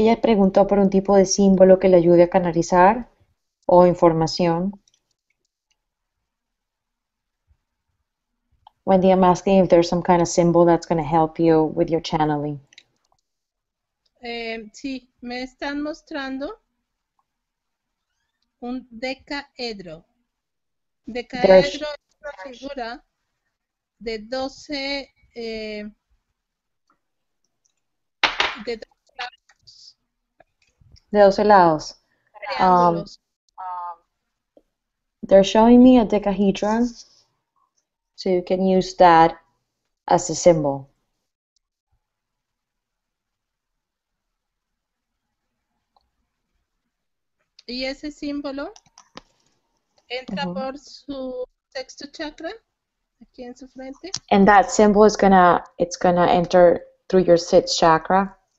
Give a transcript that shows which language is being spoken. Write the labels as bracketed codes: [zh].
[es] Ella preguntó por un tipo de símbolo que le ayude a canalizar o información. [en] Wendy, I'm asking if there's some kind of symbol that's going to help you with your channeling. [es] Sí, me están mostrando un decaedro. Decaedro es una figura de 12 de 12 lados. Triángulos. [en] They're showing me a decahedron. So you can use that as a symbol. [es] ¿Y ese símbolo entra por su sexto chakra, aquí en su frente? [en] And that symbol is gonna, it's gonna enter through your sixth chakra.